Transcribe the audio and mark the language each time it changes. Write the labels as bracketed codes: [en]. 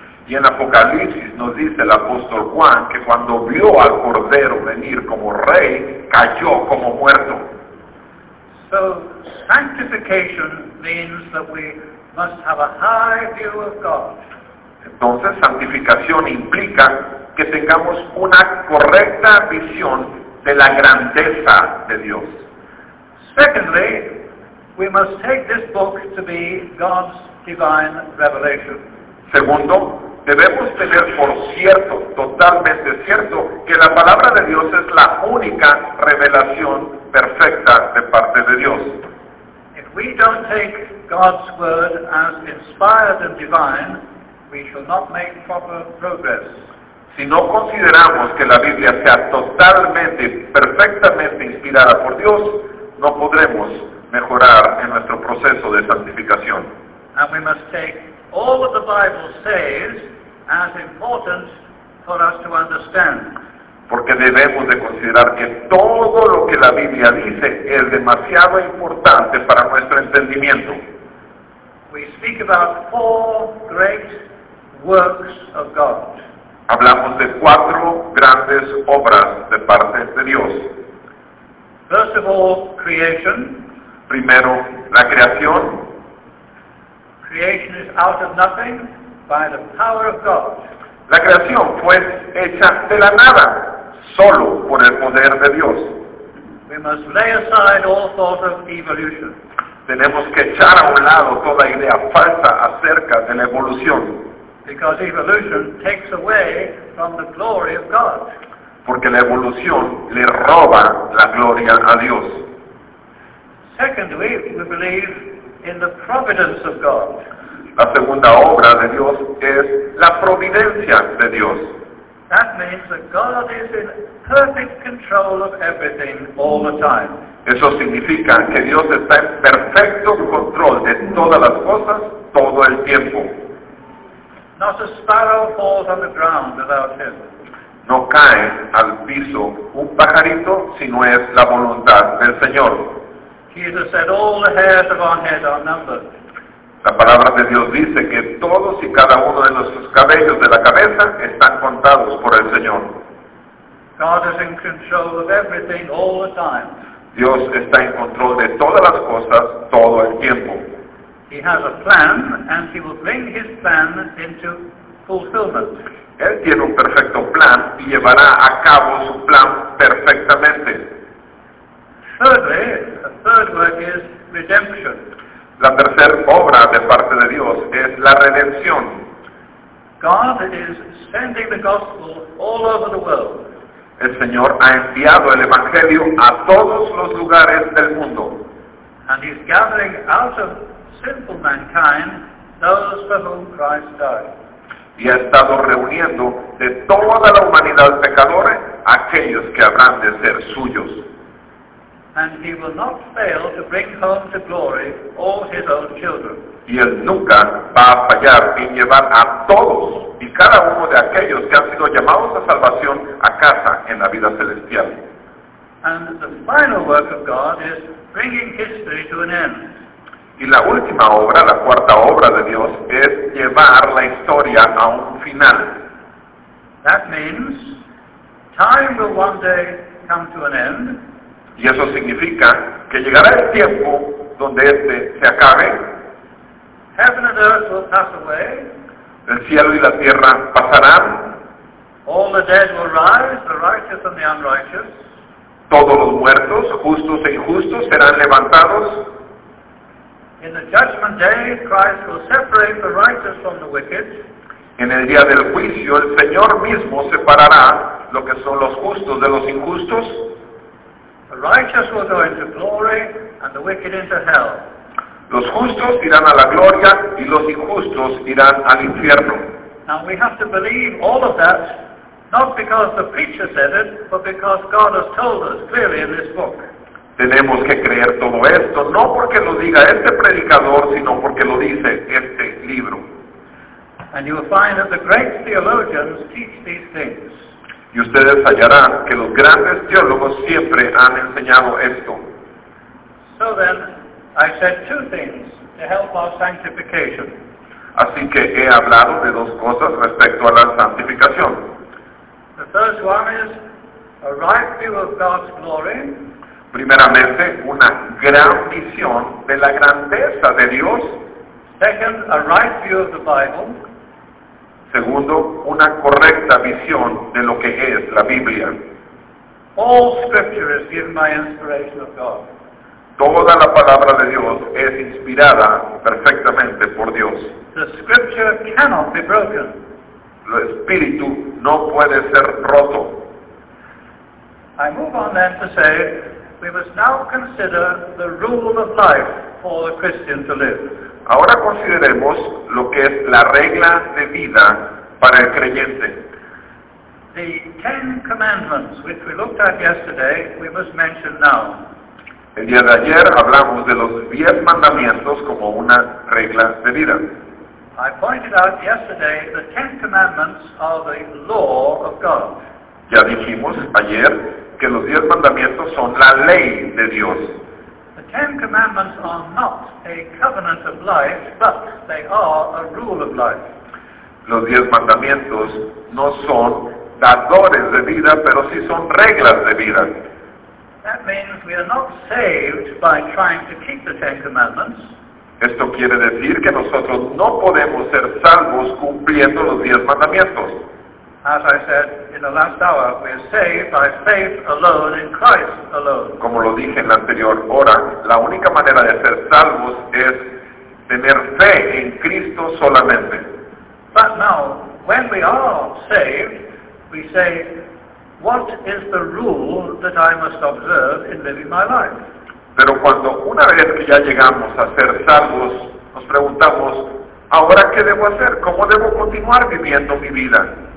[es] Y en Apocalipsis nos dice el apóstol Juan que cuando vio al Cordero venir como rey, cayó como muerto. [en] So sanctification means that we must have a high view of God. [es] Entonces santificación implica que tengamos una correcta visión de la grandeza de Dios. [en] Secondly, we must take this book to be God's divine revelation. [es] Segundo, debemos tener por cierto, totalmente cierto, que la palabra de Dios es la única revelación perfecta de parte de Dios. [en] If we don't take God's word as inspired and divine, we shall not make proper progress. [es] Si no consideramos que la Biblia sea totalmente, perfectamente inspirada por Dios, no podremos mejorar en nuestro proceso de santificación. [en] And we must take all that the Bible says as important for us to understand. [es] Porque debemos de considerar que todo lo que la Biblia dice es demasiado importante para nuestro entendimiento. [en] We speak about four great works of God. [es] Hablamos de cuatro grandes obras de parte de Dios. [en] First of all, creation. [es] Primero, la creación. [en] Creation is out of nothing by the power of God. [es] La creación fue hecha de la nada, solo por el poder de Dios. [en] We must lay aside all thought of evolution. [es] Tenemos que echar a un lado toda idea falsa acerca de la evolución. [en] Because evolution takes away from the glory of God. [es] Porque la evolución le roba la gloria a Dios. [en] Secondly, we believe in the providence of God. [es] La segunda obra de Dios es la providencia de Dios. [en] That means that God is in perfect control of everything all the time. [es] Eso significa que Dios está en perfecto control de todas las cosas todo el tiempo. [en] Not a sparrow falls on the ground without him. [es] No cae al piso un pajarito si no es la voluntad del Señor. [en] Jesus said all the hairs of our head are numbered. [es] La palabra de Dios dice que todos y cada uno de nuestros cabellos de la cabeza están contados por el Señor. [en] God is in control of everything all the time. [es] Dios está en control de todas las cosas todo el tiempo. [en] He has a plan and he will bring his plan into fulfillment. [es] Él tiene un perfecto plan y llevará a cabo su plan perfectamente. [en] Thirdly, a third work is redemption. [es] La tercera obra de parte de Dios es la redención. [en] God is sending the gospel all over the world. [es] El Señor ha enviado el Evangelio a todos los lugares del mundo. [en] And he's gathering out of sinful mankind those for whom Christ died. [es] Y ha estado reuniendo de toda la humanidad pecadora aquellos que habrán de ser suyos. [en] And he will not fail to bring home to glory all his own children. [es] Y él nunca va a fallar en llevar a todos y cada uno de aquellos que han sido llamados a salvación a casa en la vida celestial. [en] And the final work of God is bringing history to an end. [es] Y la última obra, la cuarta obra de Dios, es llevar la historia a un final. [en] That means time will one day come to an end. [es] Y eso significa que llegará el tiempo donde este se acabe. [en] Heaven and earth will pass away. [es] El cielo y la tierra pasarán. [en] All the dead will rise, the righteous and the unrighteous. [es] Todos los muertos, justos e injustos, serán levantados. [en] In the judgment day, Christ will separate the righteous from the wicked. [es] En el día del juicio, el Señor mismo separará lo que son los justos de los injustos. [en] The righteous will go into glory and the wicked into hell. [es] Los justos irán a la gloria y los injustos irán al infierno. [en] Now we have to believe all of that, not because the preacher said it, but because God has told us clearly in this book. [es] Tenemos que creer todo esto, no porque lo diga este predicador, sino porque lo dice este libro. [en] And you will find that the great theologians teach these things. [es] Y ustedes hallarán que los grandes teólogos siempre han enseñado esto. [en] So then, I said two things to help our sanctification. [es] Así que he hablado de dos cosas respecto a la santificación. [en] The first one is a right view of God's glory. [es] Primeramente, una gran visión de la grandeza de Dios. [en] Second, a right view of the Bible. [es] Segundo, una correcta visión de lo que es la Biblia. [en] All scripture is given by inspiration of God. [es] Toda la palabra de Dios es inspirada perfectamente por Dios. [en] The scripture cannot be broken. [es] El espíritu no puede ser roto. [en] I move on then to say, we must now consider the rule of life for a Christian to live. [es] Ahora consideremos lo que es la regla de vida para el creyente. [en] The Ten Commandments, which we looked at yesterday, we must mention now. [es] El día de ayer hablamos de los 10 mandamientos como una regla de vida. [en] I pointed out yesterday the Ten Commandments are the law of God. [es] Ya dijimos ayer que los 10 mandamientos son la ley de Dios. [en] Ten Commandments are not a covenant of life, but they are a rule of life. [es] Los 10 mandamientos no son dadores de vida, pero sí son reglas de vida. [en] That means we are not saved by trying to keep the Ten Commandments. [es] Esto quiere decir que nosotros no podemos ser salvos cumpliendo los 10 mandamientos. [en] As I said in the last hour, we are saved by faith alone in Christ alone. [es] Como lo dije en la anterior hora, la única manera de ser salvos es tener fe en Cristo solamente. [en] But now, when we are saved, we say, what is the rule that I must observe in living my life? [es] Pero cuando una vez que ya llegamos a ser salvos, nos preguntamos, ¿ahora qué debo hacer? ¿Cómo debo continuar viviendo mi vida?